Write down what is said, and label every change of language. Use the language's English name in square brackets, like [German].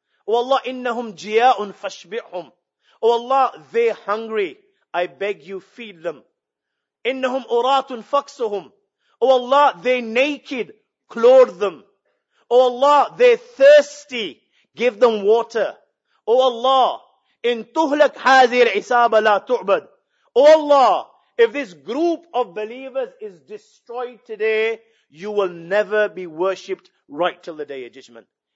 [English] Oh Allah, [Arabic] innahum jia'un fashbi'hum. [English] Oh Allah, they're hungry. I beg you, feed them. [Arabic] Innahum uratun faksuhum. [English] Oh Allah, they're naked. Clothe them. Oh Allah, they're thirsty. Give them water. Oh Allah, [Arabic] إن تهلك هذه العصابة لا تعبد. [English] Oh Allah, if this group of believers is destroyed today, you will never be worshipped right till the day of judgment.